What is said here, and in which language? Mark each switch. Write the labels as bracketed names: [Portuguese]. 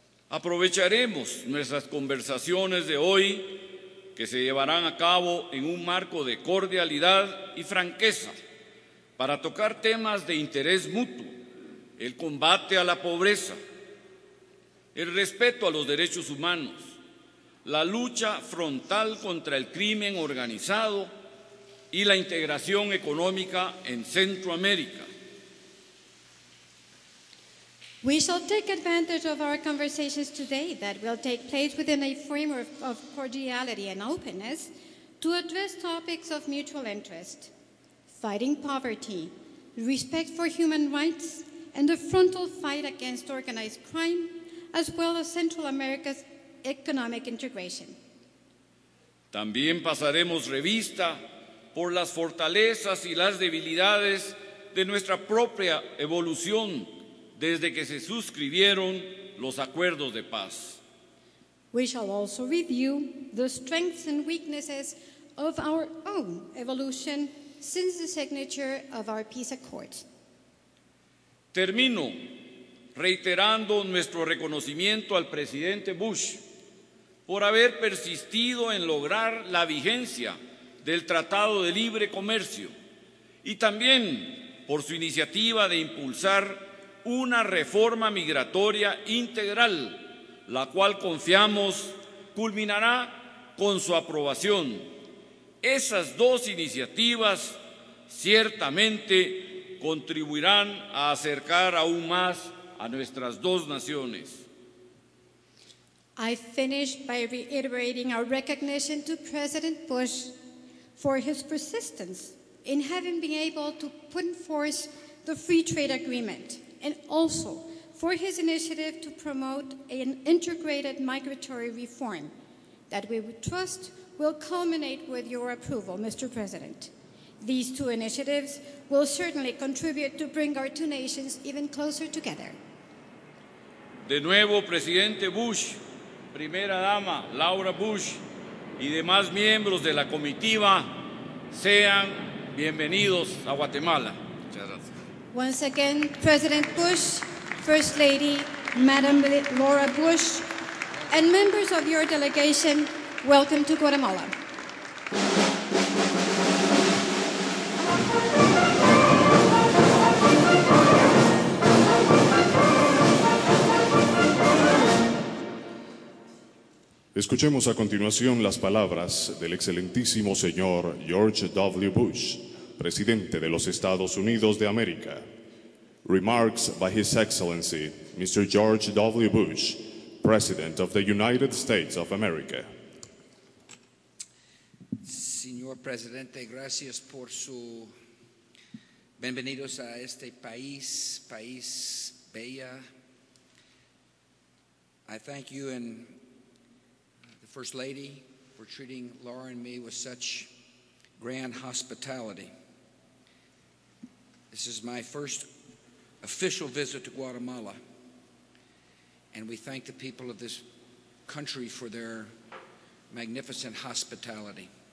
[Spanish] Aprovecharemos nuestras conversaciones de hoy, que se llevarán a cabo en un marco de cordialidad y franqueza, para tocar temas de interés mutuo, el combate a la pobreza, el respeto a los derechos humanos, la lucha frontal contra el crimen organizado y la integración económica en Centroamérica. [English] We shall take advantage of our conversations today that will take place within a framework of cordiality and openness to address topics of mutual interest, fighting poverty, respect for human rights, and the frontal fight against organized crime, as well as Central America's economic integration. [Spanish] También pasaremos revista por las fortalezas y las debilidades de nuestra propia evolución desde que se suscribieron los acuerdos de paz. [English] We shall also review the strengths and weaknesses of our own evolution since the signature of our peace accords. [Spanish] Termino reiterando nuestro reconocimiento al presidente Bush por haber persistido en lograr la vigencia del Tratado de Libre Comercio y también por su iniciativa de impulsar una reforma migratoria integral, la cual confiamos culminará con su aprobación. Esas dos iniciativas ciertamente contribuirán a acercar aún más a nuestras dos naciones. [English] I finish by reiterating our recognition to President Bush for his persistence in having been able to put in force the free trade agreement, and also for his initiative to promote an integrated migratory reform that we trust will culminate with your approval, Mr. President. These two initiatives will certainly contribute to bring our two nations even closer together. [Spanish] De nuevo, Presidente Bush, Primera Dama Laura Bush y demás miembros de la comitiva, sean bienvenidos a Guatemala. [English] Once again, President Bush, First Lady, Madam Laura Bush, and members of your delegation, welcome to Guatemala. [Spanish] Escuchemos a continuación las palabras del excelentísimo señor George W. Bush, Presidente de los Estados Unidos de América. [English] Remarks by His Excellency, Mr. George W. Bush, President of the United States of America. [Spanish] Señor Presidente, gracias por su bienvenidos a este país, país bella. [English] I thank you and the First Lady for treating Laura and me with such grand hospitality. This is my first official visit to Guatemala, and we thank the people of this country for their magnificent hospitality.